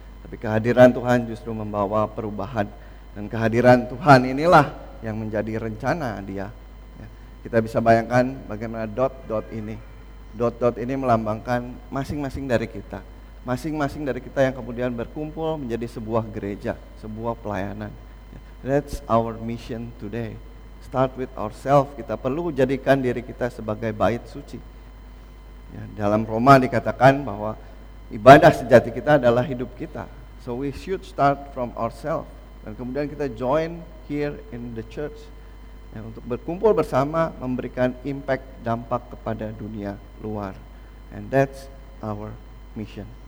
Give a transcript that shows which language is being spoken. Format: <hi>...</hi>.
<id>Tapi kehadiran Tuhan justru membawa perubahan. Dan kehadiran Tuhan inilah yang menjadi rencana dia. Kita bisa bayangkan bagaimana dot-dot ini. Dot-dot ini melambangkan masing-masing dari kita. Masing-masing dari kita yang kemudian berkumpul menjadi sebuah gereja, sebuah pelayanan.</id> <en>That's our mission today. Start with ourselves.</en> <id>Kita perlu jadikan diri kita sebagai bait suci. Ya, dalam Roma dikatakan bahwa ibadah sejati kita adalah hidup kita.</id> <en>So we should start from ourselves.</en> <id>Dan kemudian kita</id> <en>join here in the church.</en> <id>Ya, untuk berkumpul bersama memberikan impact, dampak kepada dunia luar.</id> <en>And that's our mission.</en>